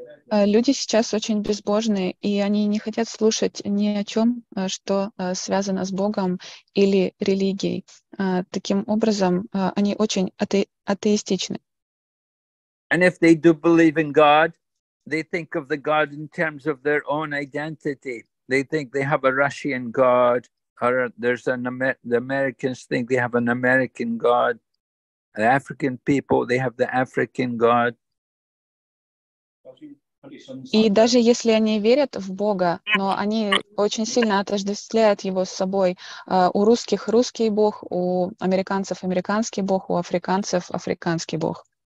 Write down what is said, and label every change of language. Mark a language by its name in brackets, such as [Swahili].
[Russian] Люди сейчас очень безбожные, и они не хотят слушать ни о чем, что связано с Богом или религией. Таким образом, они очень атеистичны. [English] And if they do believe in God, they think of the God in terms of their own identity. They think they have a Russian God, There's an the Americans think they have an American God. The African people, they have the African God. [Russian] И даже если они верят в Бога, но они очень сильно отождествляют его с собой. У русских русский Бог, у американцев американский Бог, у африканцев африканский Бог.